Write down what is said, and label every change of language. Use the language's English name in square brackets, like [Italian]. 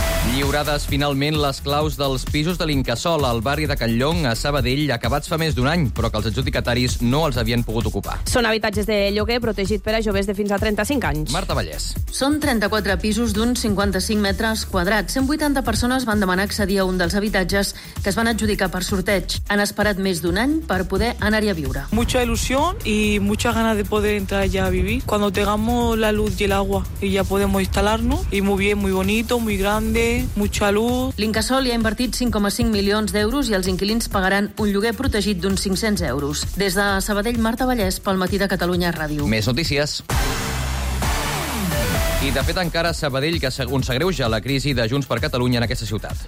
[Catalan] Lliurades finalment les claus dels pisos de l'Incasòl al barri de Canllong, a Sabadell, acabats fa més d'un any, però que els adjudicataris no els havien pogut ocupar. Són habitatges de lloguer protegit per a joves de fins a 35 anys. Marta Vallès. Són 34 pisos d'uns 55 metres quadrats. 180 persones van demanar accedir a un dels habitatges que es van adjudicar per sorteig. Han esperat més d'un any per poder anar-hi a viure. [Spanish] Mucha ilusión y mucha ganas de poder entrar allá a vivir. Cuando tengamos la luz y el agua y ya podemos instalarnos. Y muy bien, muy bonito, muy grande. Mucha luz. [Catalan] L'Incasòl hi ha invertit 5,5 milions d'euros i els inquilins pagaran un lloguer protegit d'uns 500 euros. Des de Sabadell, Marta Vallès, pel matí de Catalunya Ràdio. Més notícies. I, de fet, encara Sabadell, que s'agreuja la crisi de Junts per Catalunya en aquesta ciutat.